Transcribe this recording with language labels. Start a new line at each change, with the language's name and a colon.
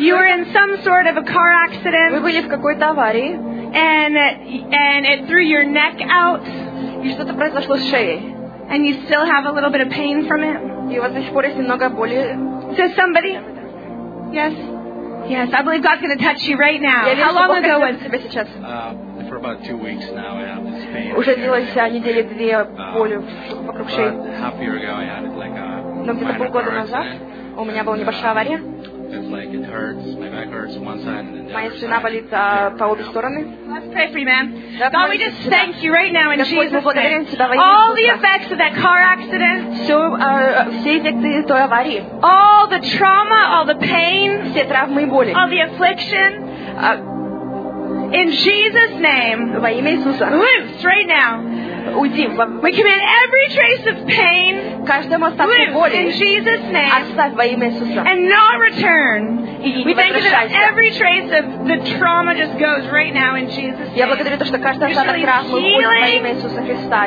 English: You were in some sort of a car accident.
Russian: Вы были в какой-то аварии.
English: And it threw your neck out.
Russian: И что-то произошло с шеей.
English: And you still have a little bit of pain from it.
Russian: И у вас до сих пор есть немного боли.
English: To somebody? Yes. Yes, I believe God's going to touch you right now. How long ago was it? For about 2 weeks now, I have this pain.
Russian: Уже длилось недели две боли вокруг шеи.
English: Half a year ago, I had it like a.
Russian: Но где-то полгода назад у меня была небольшая авария.
English: It's like it hurts. My back hurts one side and then.
Russian: Моя спина болит по обе стороны.
English: Let's pray for you, man. God, we just thank you right now in Jesus' name. All the effects of that car accident.
Russian: Все эффекты той аварии.
English: All the trauma, all the pain.
Russian: Все травмы и боли.
English: All the affliction. In Jesus' name.
Russian: Во имя Иисуса.
English: Loose right now.
Russian: Уйди.
English: We command every trace of pain.
Russian: Каждому остатку боли.
English: In Jesus' name.
Russian: Оставь во имя Иисуса.
English: And not return. We thank you that every trace of the trauma just goes right now in Jesus' name.
Russian: Я благодарю то, что каждый остаток травмы уходит во имя Иисуса Христа.